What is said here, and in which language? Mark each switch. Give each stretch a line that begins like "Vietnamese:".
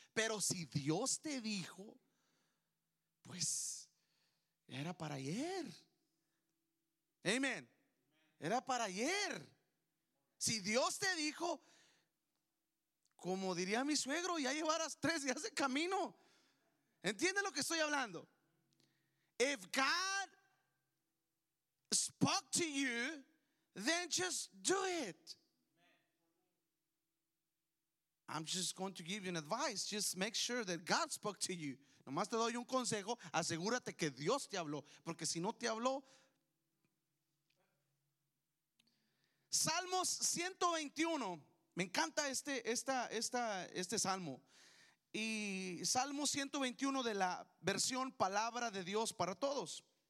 Spanish: Pero si Dios te dijo, pues era para ayer. Amén. Era para ayer. Si Dios te dijo, como diría mi suegro, ya llevarás 3 días de camino. ¿Entiende lo que estoy hablando?
English: If God spoke to you, then just do it. I'm just going to give you an advice. Just make sure that God spoke to you.
Spanish: Nomás te doy un consejo, asegúrate que Dios te habló, porque si no te habló. Salmos 121, Me encanta este salmo. Y Salmo 121 de la versión Palabra de Dios para Todos.